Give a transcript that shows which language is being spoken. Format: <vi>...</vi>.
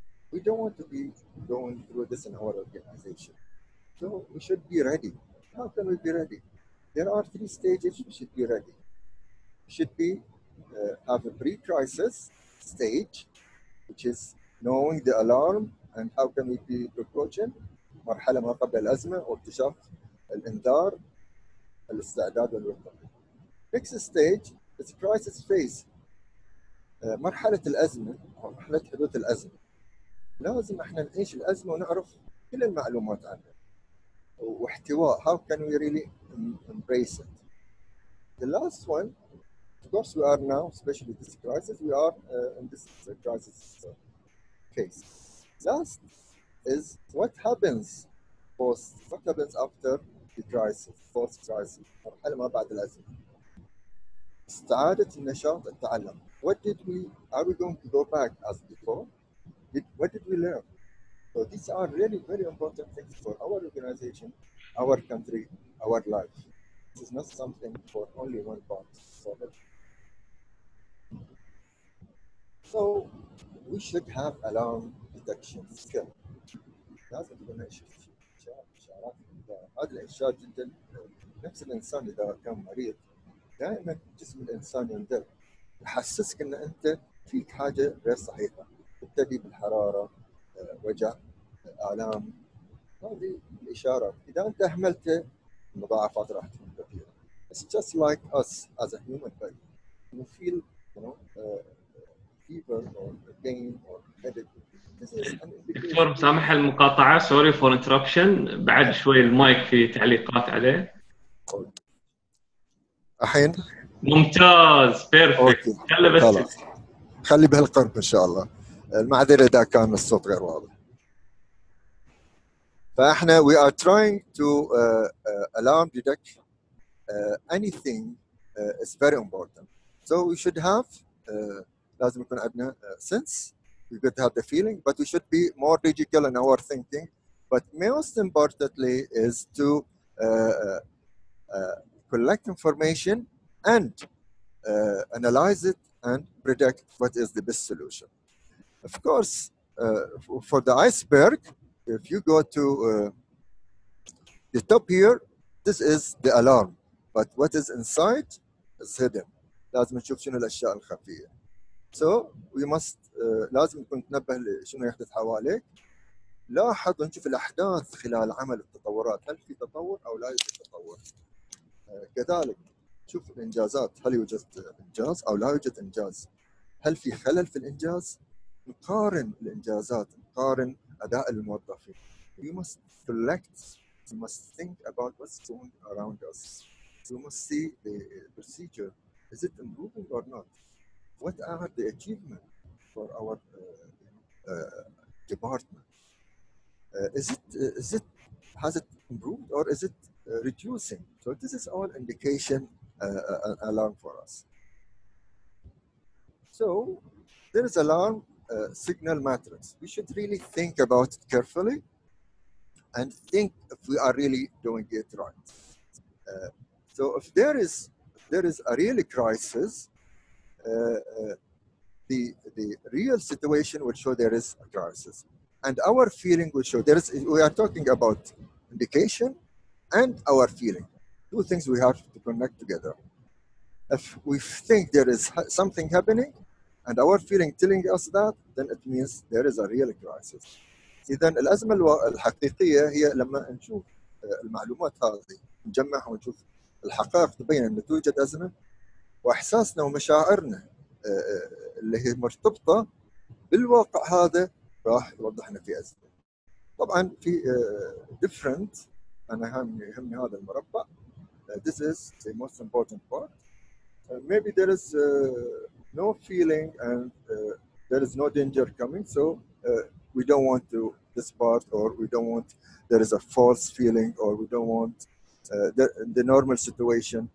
<en>We don't want to be going through this in our organization. So we should be ready. How can we be ready? There are three stages we should be ready. We should be have a pre-crisis stage, which is knowing the alarm and how can we be approaching.</en> <ar>مرحلة ما قبل الأزمة أو اكتشاف الإنذار الاستعداد والوقف.</ar> <en>Next stage is crisis phase.</en> <ar>مرحلة الأزمة أو مرحلة حدوث الأزمة. لازم إحنا نعيش الأزمة ونعرف كل المعلومات عنها. واحتواء.</ar> <en>How can we really embrace it? The last one, of course, we are now, especially this crisis, we are in this crisis phase. Last is what happens post, what happens after the crisis, post crisis, or</en> <ar>حلما بعد الأزمة. استعادة النشاط التعلم.</ar> <en>What did we, are we going to go back as before? What did we learn? So these are really very important things for our organization, our country, our life. This is not something for only one part. So we should have alarm detection skill.</en> <ar>لازم تكون إشارات هذا الإشارات جدا نفس الإنسان إذا كان مريض دائما جسم الإنسان يندر يحسسك إن أنت فيك حاجة غير صحيحة تبتدي بالحرارة وجع آلام هذه الإشارة إذا أنت أهملت المضاعفات راح تكون كثيرة</ar> <en>It's just like us as a human being. You feel, you know, fever or pain or headache.</en> <ar>دكتور مسامح المقاطعة</ar> <en>sorry for interruption</en> <ar>بعد شوي المايك في تعليقات عليه الحين ممتاز perfect خلي بس خلي بهالقرب إن شاء الله المعذرة إذا كان الصوت غير واضح فإحنا</ar> <en>we are trying to alarm detect anything is very important so we should have</en> <ar>لازم يكون عندنا</ar> <en>sense We could have the feeling, but we should be more logical in our thinking. But most importantly is to collect information and analyze it and predict what is the best solution. Of course, for the iceberg, if you go to the top here, this is the alarm. But what is inside is hidden.</en> <ar>لازم نشوف شنو الأشياء الخفية.</ar> <en>So we must</en> <ar>لازم يكون تنبه لشنو يحدث حواليك لاحظ ونشوف الأحداث خلال عمل التطورات هل في تطور أو لا يوجد تطور كذلك شوف الإنجازات هل يوجد إنجاز أو لا يوجد إنجاز هل في خلل في الإنجاز نقارن الإنجازات نقارن أداء الموظفين</ar> <en>You must collect You must think about what's going around us You must see the procedure Is it improving or not What are the achievements for our department? Is it has it improved or is it reducing? So this is all indication alarm for us. So there is alarm signal matrix. We should really think about it carefully and think if we are really doing it right. So if there is a real crisis, the real situation will show there is a crisis. And our feeling will show there is, we are talking about indication and our feeling. Two things we have to connect together. If we think there is something happening and our feeling telling us that, then it means there is a real crisis.</en> <ar>إذن الأزمة الحقيقية هي لما نشوف المعلومات هذه نجمعها ونشوف الحقائق تبين أن توجد أزمة وإحساسنا ومشاعرنا اللي هي مرتبطة بالواقع هذا راح يوضحنا في أزمة. طبعاً في different أنا يهمني هذا المربع.</ar> <en>This is the most important part. Maybe there is no feeling and there is no danger coming, so we don't want to this part or we don't want there is a false feeling or we don't want the normal situation.</en>